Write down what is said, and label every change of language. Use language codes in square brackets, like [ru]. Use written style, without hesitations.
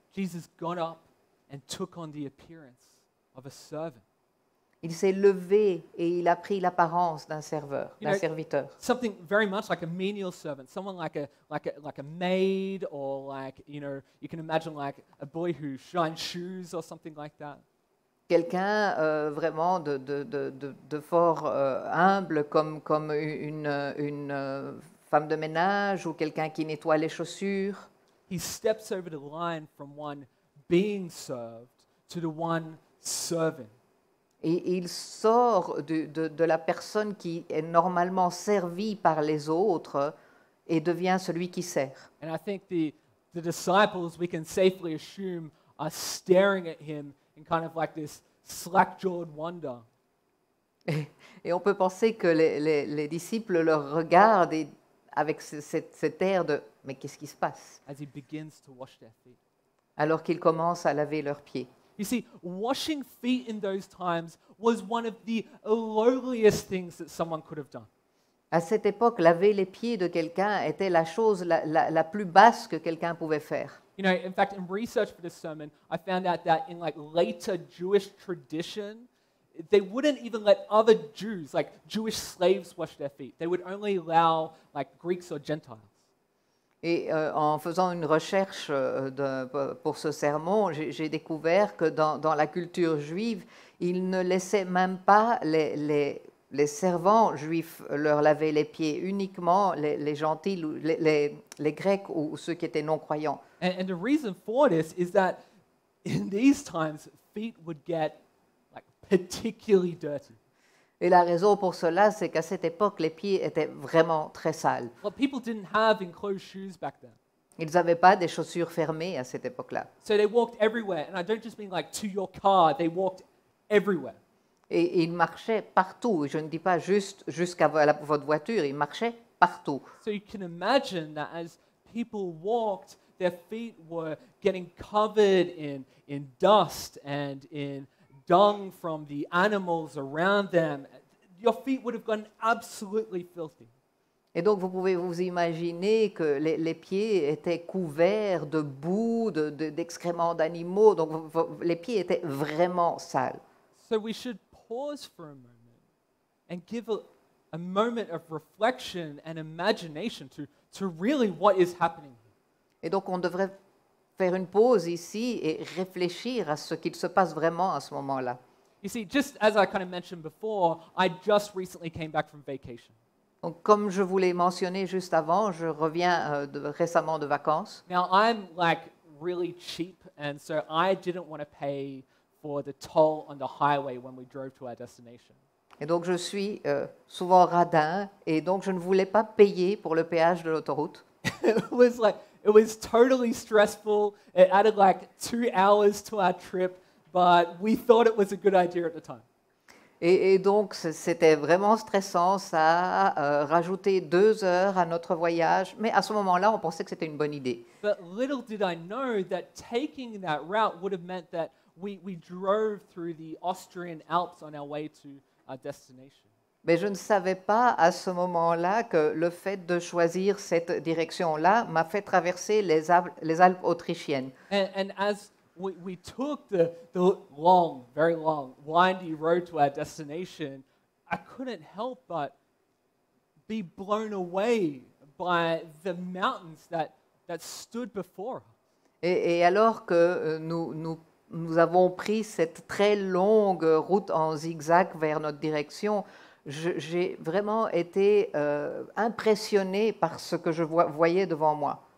[en] Jesus got up and took on the appearance of a servant. [fr] Il s'est levé et il a pris l'apparence d'un serveur, d'un serviteur. [en] Something very much like a menial servant, someone like a maid or like, you know, you can imagine like a boy who shines shoes or something like that. [fr] Quelqu'un vraiment de fort humble comme une femme de ménage ou quelqu'un qui nettoie les chaussures. [en] He steps over the line from one being served to the one serving. [fr] Et il sort de la personne qui est normalement servie par les autres et devient celui qui sert. [en] And I think the disciples, we can safely assume, are staring at him in kind of like this slack-jawed wonder. [fr] Et on peut penser que les disciples le regardent et avec cet air de « mais qu'est-ce qui se passe ?» [en] As he begins to wash their feet. [fr] Alors qu'ils commencent à laver leurs pieds. [en] You see, washing feet in those times was one of the lowliest things that someone could have done. [fr] À cette époque, laver les pieds de quelqu'un était la chose la plus basse que quelqu'un pouvait faire. [en] You know, in fact, in research for this sermon, I found out that in like later Jewish tradition, they wouldn't even let other Jews, like Jewish slaves, wash their feet. They would only allow like Greeks or Gentiles. [fr] Et en faisant une recherche pour ce sermon, j'ai découvert que dans la culture juive, ils ne laissaient même pas les servants juifs leur laver les pieds, uniquement les gentils, les Grecs ou ceux qui étaient non-croyants. [en] And the reason for this is that in these times, feet would get like particularly dirty. [fr] Et la raison pour cela, c'est qu'à cette époque, les pieds étaient vraiment très sales. [en] Well, people didn't have enclosed shoes back then. [fr] Ils n'avaient pas des chaussures fermées à cette époque-là. [en] So they walked everywhere, and I don't just mean like to your car, they walked everywhere. [fr] Et ils marchaient partout, je ne dis pas juste jusqu'à votre voiture, ils marchaient partout. [en] So you can imagine that as people walked, their feet were getting covered in dust and in dung from the animals around them. Your feet would have gone absolutely filthy. [fr] Et donc vous pouvez vous imaginer que les pieds étaient couverts de boue, d'excréments d'animaux, donc les pieds étaient vraiment sales. [en] So we should pause for a moment and give a moment of reflection and imagination to really what is happening. [fr] Et donc on devrait faire une pause ici et réfléchir à ce qu'il se passe vraiment à ce moment-là. [en] You see, just as I kind of mentioned before, I just recently came back from vacation. [fr] Donc, comme je vous l'ai mentionné juste avant, je reviens récemment de vacances. [en] Now, I'm like really cheap, and so I didn't want to pay for the toll on the highway when we drove to our destination. [fr] Et donc, je suis souvent radin, et donc je ne voulais pas payer pour le péage de l'autoroute. [en] It was totally stressful. It added like 2 hours to our trip, but we thought it was a good idea at the time. [fr] Et donc c'était vraiment stressant, ça a rajouté 2 heures à notre voyage, mais à ce moment-là, on pensait que c'était une bonne idée. [en] But little did I know that taking that route would have meant that we drove through the Austrian Alps on our way to our destination. [fr] Mais je ne savais pas à ce moment-là que le fait de choisir cette direction-là m'a fait traverser les Alpes autrichiennes. [en] And as we took the long, very long, windy road to our destination, I couldn't help but be blown away by the mountains that stood before us. [fr] Et alors que nous avons pris cette très longue route en zigzag vers notre direction, j'ai vraiment été impressionné par ce que je voyais devant moi.